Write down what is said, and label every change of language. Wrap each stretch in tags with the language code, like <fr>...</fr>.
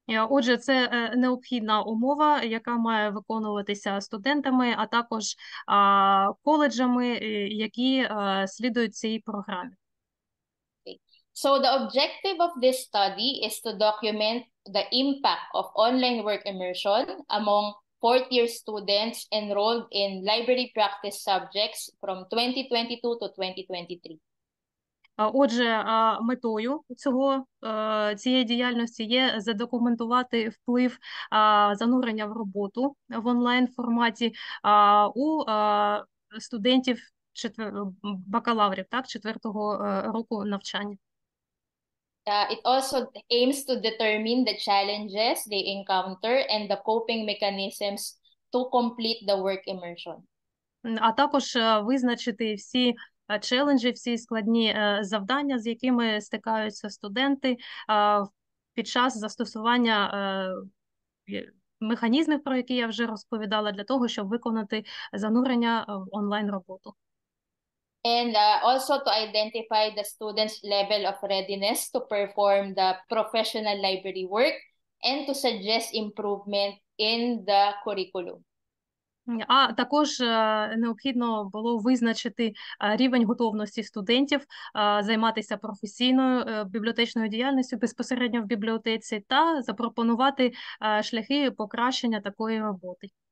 <uk>Отже, це необхідна умова, яка має виконуватися студентами, а також коледжами, які слідують цій програмі.</uk> <en>So the objective of this study is to document the impact of online work immersion among fourth-year students enrolled in library practice subjects from 2022 to 2023.</en> <uk>Отже, метою цього цієї діяльності є задокументувати вплив занурення в роботу в онлайн форматі у студентів бакалаврів, так, четвертого року навчання.</uk> <en>It also aims to determine the challenges they encounter and the coping mechanisms to complete the work immersion.</en> <uk>А також визначити всі челенджі, всі складні завдання, з якими стикаються студенти під час застосування механізмів, про які я вже розповідала, для того, щоб виконати занурення в онлайн-роботу.</uk> <en>And also to identify the student's level of readiness to perform the professional library work and to suggest improvement in the curriculum.</en> <uk>А також необхідно було визначити рівень готовності студентів займатися професійною бібліотечною діяльністю безпосередньо в бібліотеці та запропонувати шляхи покращення такої роботи.</uk>